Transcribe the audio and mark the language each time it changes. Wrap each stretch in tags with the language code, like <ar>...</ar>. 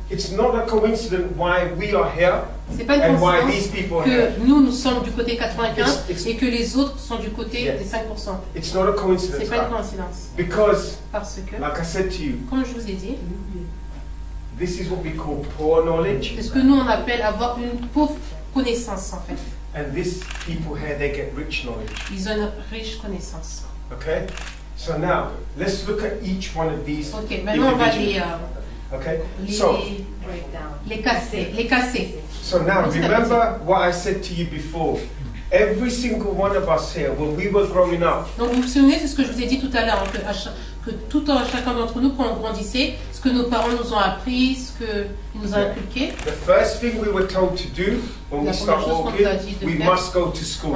<en>It's not a coincidence why we are here.</en> <fr>C'est pas une</fr> <en>and</en> <fr>coïncidence</fr> <en>why these people are</en> <fr>que</fr> <en>here.</en> <fr>nous sommes du côté 95 et que les autres sont du côté</fr> <en>yeah.</en> <fr>des 5%.</fr> <en>It's not a coincidence.</en> <fr>C'est pas une coïncidence.</fr> <en>Because</en> <fr>parce que</fr> <en>like I said to you,</en> <fr>comme je vous ai dit,</fr> <en>this is what we call poor knowledge.</en> <fr>C'est ce que nous on appelle avoir une pauvre connaissance en fait.</fr> <en>And these people here, they get rich knowledge.</en> <fr>Ils ont une riche connaissance.</fr> <en>Okay. So now, let's look at each one of these.</en> <fr>Okay, maintenant on va lire.</fr> <en>Okay.</en> <fr>Les cassés.</fr> <en>So now, remember what I said to you before. Every single one of us here, when we were growing up.</en> <fr>Donc vous vous souvenez, c'est ce que je vous ai dit tout à l'heure, que tout en chacun d'entre nous, quand on grandissait, ce que nos parents nous ont appris, ce qu'ils nous ont inculqué.</fr> <en>The first thing we were told to do when we start walking, we must go to school.</en>